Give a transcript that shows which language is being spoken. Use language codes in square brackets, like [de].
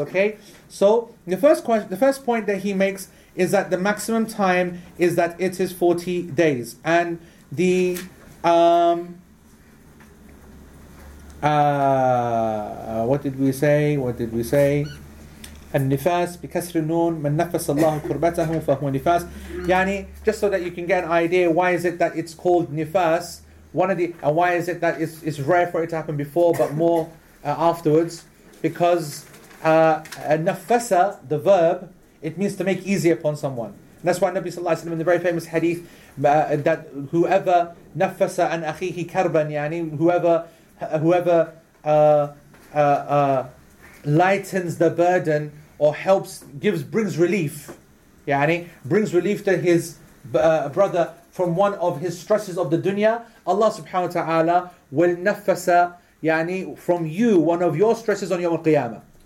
[en] Okay, so the first question, the first point that he makes is that the maximum time is that it is 40 days, and the what did we say? [ar] النفاس بكسر النون من نفس الله كربته فهو نفاس. [en] يعني just so that you can get an idea, why is it that it's called nifas? One of the and why is it that it's rare for it to happen before but more afterwards? Because nafasa, the verb, it means to make easy upon someone. And that's why Nabi sallallahu alaihi wasallam in the very famous hadith that whoever [ar] nafasa an akhihi karban, [en] yani whoever lightens the burden or helps, gives, brings relief, yani brings relief to his brother from one of his stresses of the dunya, Allah subhanahu wa ta'ala will nafasa, yani from you, one of your stresses on yawm al-qiyamah.